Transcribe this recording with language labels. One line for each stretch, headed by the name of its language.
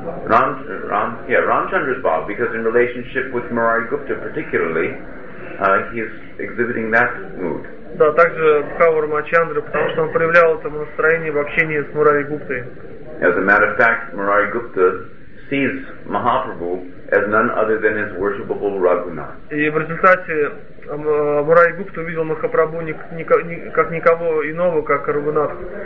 English: Ramchandra's bhav, because in relationship with Murari Gupta particularly, he is exhibiting that mood.
Russian: Да, также бхаву Рамачандры, потому что он проявлял это настроение в общении с Мурари Гуптой.
English: As a matter of fact, Murari Gupta sees Mahaprabhu as none other than his worshipable Raghunath.
Russian: И в результате Мурари-гупта увидел Махапрабху как никого иного, как Рагунатху.